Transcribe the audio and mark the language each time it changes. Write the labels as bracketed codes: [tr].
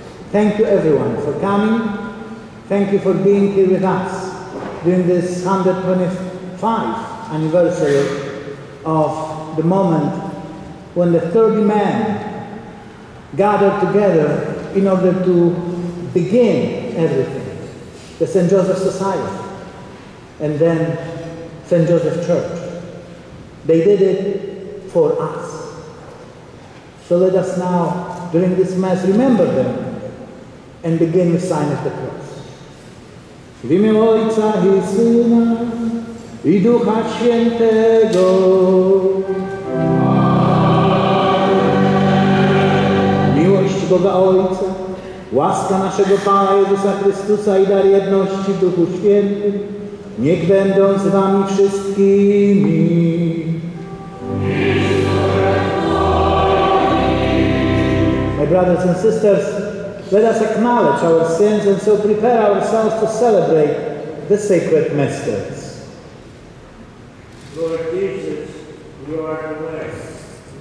[en] Thank you everyone for coming. Thank you for being here with us during this 125th anniversary of the moment when the 30 men gathered together in order to begin everything, the St. Joseph Society and then St. Joseph Church. They did it for us. So let us now, during this Mass, remember them and begin the sign of the cross. [pl] W imię Ojca I Syna I Ducha Świętego. Amen. Miłość Boga Ojca, łaska naszego Pana Jezusa Chrystusa I dar jedności w Duchu Świętym, niech będą z Wami wszystkimi. [en] My brothers and sisters, let us acknowledge our sins and so prepare ourselves to celebrate the sacred mysteries. Lord Jesus, you are blessed.